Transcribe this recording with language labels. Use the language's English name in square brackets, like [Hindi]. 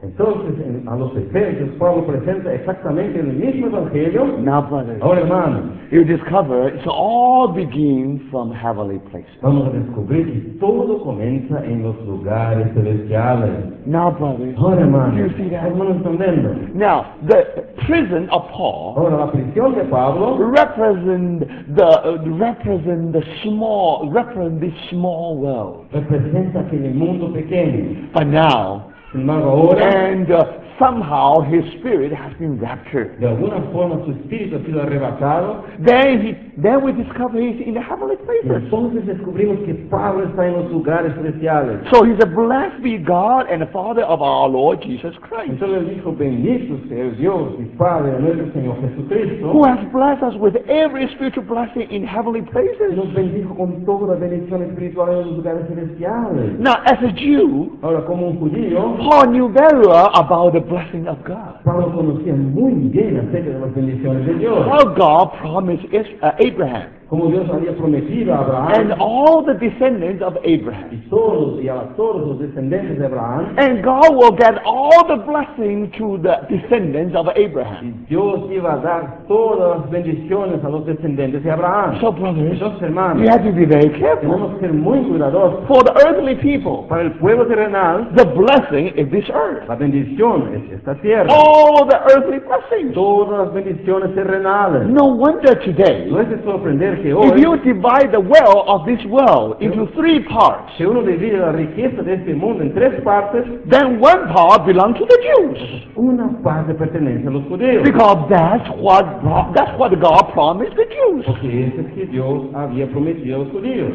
[Spanish] Entonces, a los Efesios, Pablo presenta exactamente el mismo evangelio. [English] Now, brothers, [Spanish] ahora, hermanos, [English] you discover it's all begin from heavenly places. [Spanish] Vamos a descubrir que todo comienza en los lugares celestiales. [English] Now, brothers, [Spanish] ahora, hermanos, [English] you see that? [Spanish] Hermanos, entendiendo. [English] Now, the prison of Paul, [Spanish] ahora, la prisión de Pablo, [English] represents this small world. [Spanish] Representa aquel mundo pequeño. [English] But now, [Spanish] sin embargo, ahora, [English] and somehow his spirit has been raptured. [Spanish] De alguna forma su espíritu ha sido arrebatado. [English] Then we discover he's in the heavenly places. [Spanish] Y entonces descubrimos que Pablo está en los lugares celestiales. [English] So he's a blessed be God and the Father of our Lord Jesus Christ. [Spanish] Entonces él dijo, bendito sea Dios y Padre de nuestro Señor Jesucristo. [English] Who has blessed us with every spiritual blessing in heavenly places. [Spanish] Y nos bendijo con toda bendición espiritual en los lugares celestiales. [English] Now as a Jew, [Spanish] ahora como un judío, [English] Paul knew very well about the blessing of God. [Spanish] Pablo conocía muy bien acerca de las bendiciones de Dios. [English] How God promised Abraham. [Spanish] Como Dios había prometido a Abraham. [English] And all the descendants of Abraham. [Spanish] Y a todos los descendientes de Abraham. [English] And God will get all the blessings to the descendants of Abraham. [Spanish] Y Dios iba a dar todas las bendiciones a los descendientes de Abraham. [English] So brothers, [Spanish] entonces, hermanos, [English] we have to be very careful. [Spanish] Tenemos que ser muy cuidadosos. [English] For the earthly people, [Spanish] para el pueblo terrenal, [English] the blessing is this earth. [Spanish] La bendición es esta tierra. [English] All the earthly blessings. [Spanish] Todas las bendiciones terrenales. [English] No wonder today. [Spanish] No es de sorprender. [English] If you divide the wealth of this world into three parts, [Spanish] si uno divide la riqueza de este mundo en tres partes, [English] then one part belongs to the Jews. [Spanish] Una parte pertenece a los judíos. [English] Because that's what God promised the Jews. [Spanish] Porque es que Dios había prometido a los judíos.